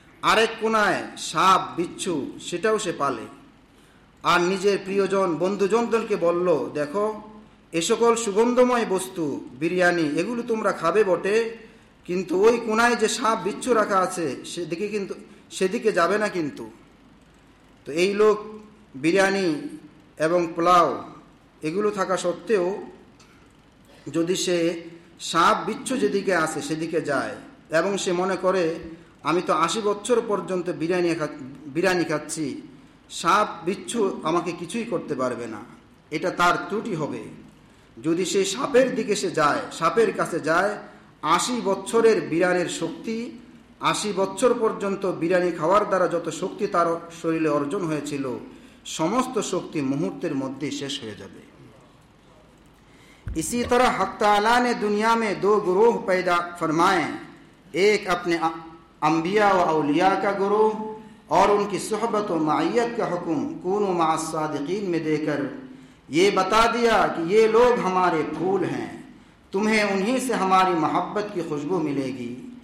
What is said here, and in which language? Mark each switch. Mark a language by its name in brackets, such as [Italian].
[Bangla] আরেক কোনায় সাপ বিচ্ছু সেটাও সে পালে, আর নিজের প্রিয়জন বন্ধুজনদেরকে বলল দেখো এ সকল সুগন্ধময় বস্তু বিরিয়ানি এগুলো তোমরা খাবে বটে, কিন্তু ওই কোনায় যে সাপ বিচ্ছু রাখা আছে সেদিকে কিন্তু সেদিকে যাবে না। কিন্তু তো এই লোক বিরিয়ানি এবং পোলাও এগুলো থাকা সত্ত্বেও যদি সে সাপ বিচ্ছু যেদিকে আসে সেদিকে যায় এবং সে মনে করে আমি তো 80 বছর পর্যন্ত বিরিয়ানি খাচ্ছি, সাপ বিচ্ছু আমাকে কিছুই করতে পারবে না, এটা তার ত্রুটি হবে। যদি সে সাপের দিকে সে যায়, সাপের কাছে যায়, 80 বছরের বিড়ালের শক্তি, 80 বছর পর্যন্ত বিরিয়ানি খাওয়ার দ্বারা যত শক্তি তার শরীরে অর্জন হয়েছিল সমস্ত শক্তি মুহূর্তের মধ্যেই শেষ হয়ে যাবে। [Urdu] اسی طرح حق تعالیٰ نے دنیا میں دو گروہ پیدا فرمائے، ایک اپنے انبیاء و اولیاء کا گروہ اور ان کی صحبت و معیت کا حکم [Arabic] کونوا مع الصادقین [Urdu] میں دے کر یہ بتا دیا کہ یہ لوگ ہمارے پھول ہیں، تمہیں انہی سے ہماری محبت کی خوشبو ملے گی،